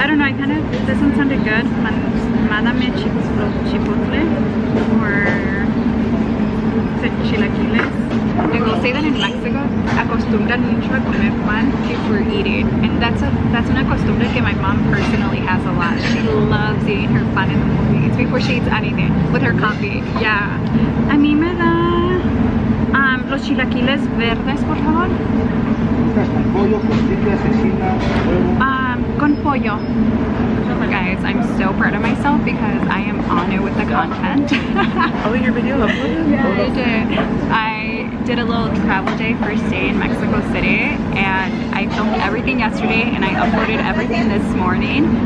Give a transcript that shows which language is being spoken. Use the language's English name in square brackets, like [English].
[English] I don't know, I kind of, this one sounded good. [Spanish] Mándame chipotle [English] or [Spanish] chilaquiles. [English] I will say that in Mexico, [Spanish] acostumbran mucho a comer pan [English] before eating. And that's [Spanish] una costumbre que [English] my mom personally has a lot. She loves eating her pan in the mornings before she eats anything. With her coffee. Yeah. [Spanish] A mí me da los chilaquiles verdes, por favor. Con pollo. [English] Guys, I'm so proud of myself because I am on it with the content. Oh, your video uploaded? Yeah, I did. I did a little travel day, first day in Mexico City, and I filmed everything yesterday and I uploaded everything this morning.